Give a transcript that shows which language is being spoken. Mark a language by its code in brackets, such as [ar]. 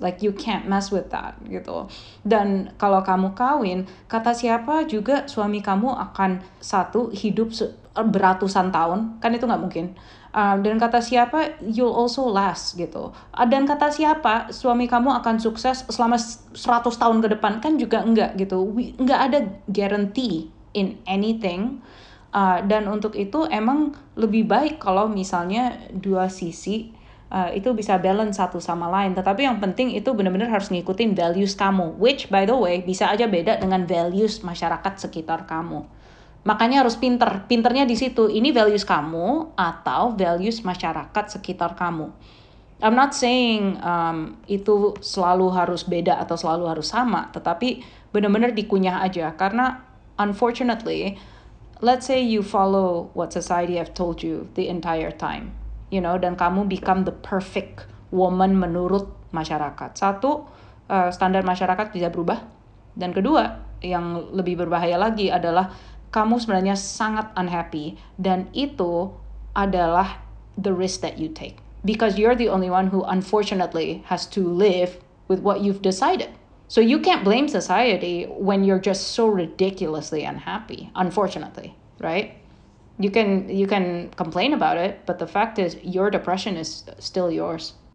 [en] Like you can't mess with that gitu. [id] Dan kalau kamu kawin, kata siapa juga suami kamu akan satu hidup beratusan tahun, kan itu nggak mungkin. Dan kata siapa [en] you'll also last [id] gitu. Dan kata siapa suami kamu akan sukses selama 100 tahun ke depan, kan juga enggak gitu. Nggak ada [en] guarantee in anything. [id] Dan untuk itu emang lebih baik kalau misalnya dua sisi itu bisa balance satu sama lain. Tetapi yang penting itu benar-benar harus ngikutin values kamu, [en] which by the way [id] bisa aja beda dengan values masyarakat sekitar kamu. Makanya harus pinter, pinternya di situ. Ini values kamu atau values masyarakat sekitar kamu. [en] I'm not saying [id] itu selalu harus beda atau selalu harus sama, tetapi benar-benar dikunyah aja. [en] Karena unfortunately, let's say you follow what society have told you the entire time, you know, [id] dan kamu [en] become the perfect woman [id] menurut masyarakat. Satu, standar masyarakat bisa berubah. Dan kedua, yang lebih berbahaya lagi adalah kamu sebenarnya sangat unhappy. Dan itu adalah [en] the risk that you take. Because you're the only one who unfortunately has to live with what you've decided. So you can't blame society when you're just so ridiculously unhappy, unfortunately, right? You can complain about it, but the fact is your depression is still yours.